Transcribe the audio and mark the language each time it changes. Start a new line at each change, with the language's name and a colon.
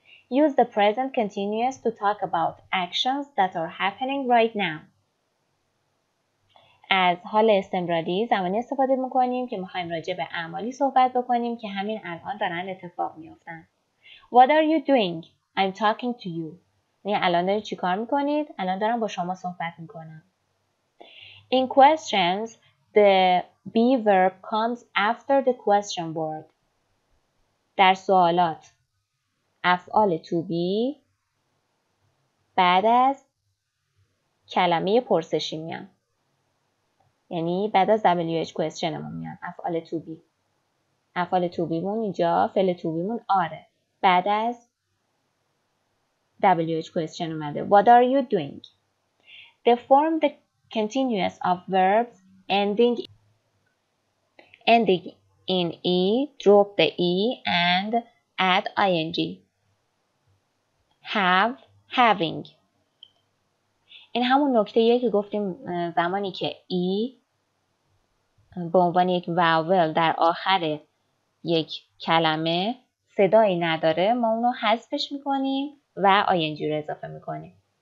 English: Use the present continuous to talk about actions that are happening right now.
Persian: از حال استمراری زمانی استفاده میکنیم که میخواییم راجع به اعمالی صحبت بکنیم که همین الان دارن اتفاق میافتن.
English: What are you doing? I'm talking to you.
Persian: یعنی الان دارید چی کار میکنید؟ الان دارم با شما صحبت میکنم.
English: In questions, the be verb comes after the question word.
Persian: در سوالات افعال to be بعد از کلمه پرسشی میان، یعنی بعد از WH question ما میان. افعال to be، افعال to be مون اینجا فعل to be مون آره بعد از WH question اومده.
English: What are you doing? They form the continuous of verbs ending in E, drop the E and add ing. Have, having.
Persian: این همون نکته یه که گفتیم زمانی که E به عنوان یک vowel در آخر یک کلمه صدایی نداره، ما اونو حذفش میکنیم و ing رو اضافه میکنیم.